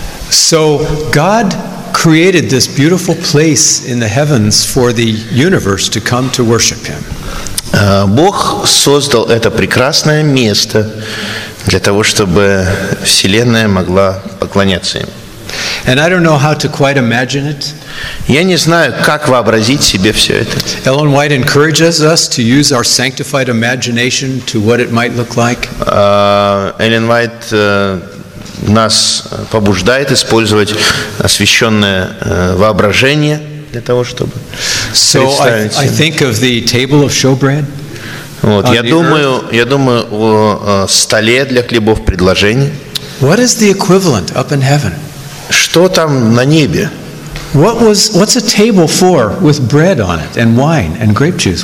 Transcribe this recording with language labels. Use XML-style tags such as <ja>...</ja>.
<en>So God created this beautiful place in the heavens for the universe to come to worship Him.</en> <ru>Бог создал это прекрасное место для того, чтобы Вселенная могла поклоняться им.</ru> <en>And I don't know how to quite imagine it.</en> <ru>Я не знаю, как вообразить себе все это.</ru> <en>Эллен Уайт encourages us to use our sanctified imagination to what it might look like.</en> <ru>Эллен Уайт нас побуждает использовать освященное воображение для того, чтобы представить.</ru> <en>So I think of the table of showbread.</en> <ru>Вот, я думаю о столе для хлебов предложений.</ru> <en>What is the equivalent up in heaven?</en> <ru>Что там на небе?</ru> <en>What's a table for with bread on it and wine and grape juice?</en>